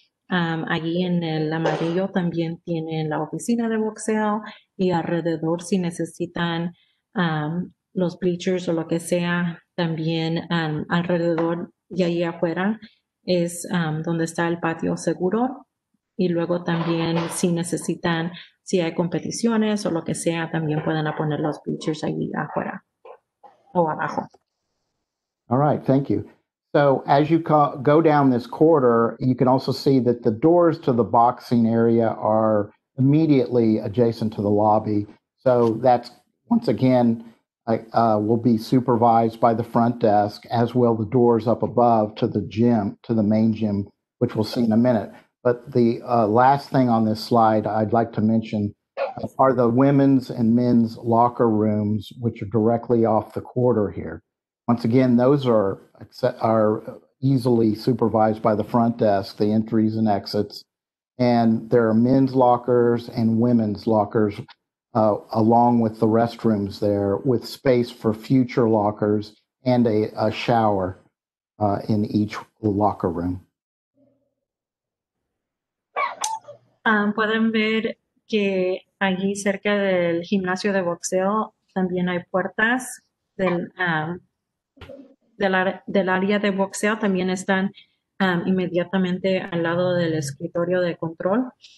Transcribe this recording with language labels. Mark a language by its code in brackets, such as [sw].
[es] Allí en el amarillo también tienen la oficina de boxeo y alrededor, si necesitan los bleachers o lo que sea, también alrededor y ahí afuera. Es donde está el patio seguro. Y luego también, si necesitan, si hay competiciones o lo que sea, también pueden poner los bleachers ahí afuera o abajo. [en] All right, thank you. So as you go down this corridor, you can also see that the doors to the boxing area are immediately adjacent to the lobby. So that's, once again, will be supervised by the front desk, as well the doors up above to the gym, to the main gym, which we'll see in a minute. But the last thing on this slide I'd like to mention are the women's and men's locker rooms, which are directly off the corridor here. Once again, those are easily supervised by the front desk, the entries and exits. And there are men's lockers and women's lockers along with the restrooms there, with space for future lockers and a shower in each locker room. [es] Pueden ver que allí cerca del gimnasio de boxeo también hay puertas del área de boxeo. También están inmediatamente al lado del escritorio de control.